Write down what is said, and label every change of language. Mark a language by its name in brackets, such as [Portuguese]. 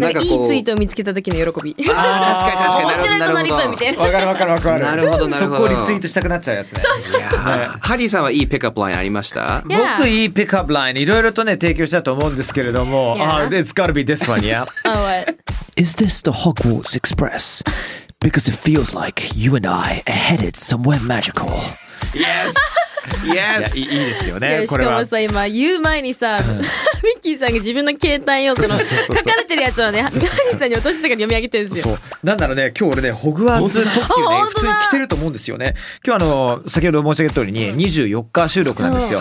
[Japanese] なんかこういいツイートを見つけた時の喜び。ああ、確かに確かに。面白いこのリプみたいな。わかるわかるわかる。なるほどなるほど。速攻リツイートしたくなっちゃうやつね。そうそう。ハリーさんはいいピックアップラインありました？僕いいピックアップライン、いろいろとね、提供したと思うんですけれども、 [English] It's gotta be this one, yeah? Oh, what? Is this the Hogwarts Express? Because it feels like you and I are headed somewhere magical. Yes! Yes! [Japanese] い, いいですよね、これは。しかもさ、今言う前にさ、ミッキーさんが自分の携帯用の書かれてるやつをね、ミッキーさんに落としてから読み上げてるんですよ。そう。なんならね、今日俺ね、ホグワーツ特急ね、普通に来てると思うんですよね。今日先ほど申し上げた通りに、24日収録なんですよ、